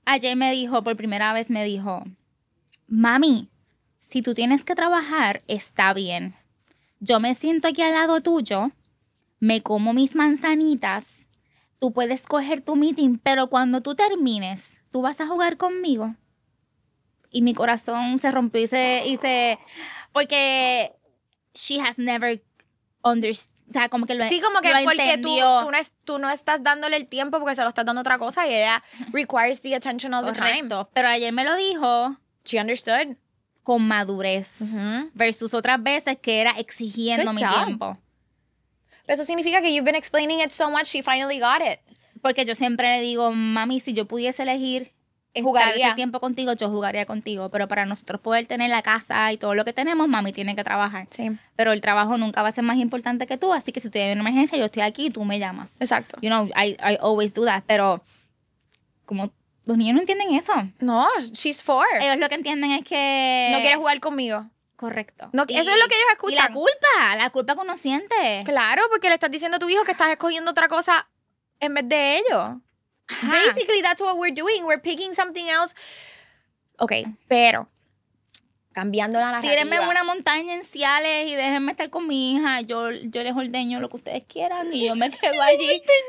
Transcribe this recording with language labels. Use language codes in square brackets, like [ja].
[es] Ayer me dijo, por primera vez me dijo... Mami, si tú tienes que trabajar, está bien. Yo me siento aquí al lado tuyo, me como mis manzanitas, tú puedes coger tu meeting, pero cuando tú termines, tú vas a jugar conmigo. Y mi corazón se rompió y se... Porque [en] she has never understood. [es] O sea, como que lo entendió. Sí, como que lo porque tú no estás dándole el tiempo porque se lo estás dando otra cosa y ella [en] requires the attention all [es] correcto. [en] The time. [es] Pero ayer me lo dijo... [en] She understood. [es] Con madurez. Uh-huh. Versus otras veces que era exigiendo mi tiempo. Pero eso significa que [en] you've been explaining it so much, she finally got it. [es] Porque yo siempre le digo, mami, si yo pudiese elegir jugaría. Estar aquí tiempo contigo, yo jugaría contigo. Pero para nosotros poder tener la casa y todo lo que tenemos, mami tiene que trabajar. Sí. Pero el trabajo nunca va a ser más importante que tú. Así que si tú tienes una emergencia, yo estoy aquí y tú me llamas. Exacto. [en] You know, I always do that. [es] Pero como... Los niños no entienden eso. [en] No, she's four. [es] Ellos lo que entienden es que... No quiere jugar conmigo. Correcto. No, y, eso es lo que ellos escuchan. Y la culpa que uno siente. Claro, porque le estás diciendo a tu hijo que estás escogiendo otra cosa en vez de ellos. [en] Basically, that's what we're doing. We're picking something else. [es] Ok, pero... Cambiando la narrativa. Tírenme una montaña en Ciales y déjenme estar con mi hija. Yo les ordeño lo que ustedes quieran y yo me quedo allí.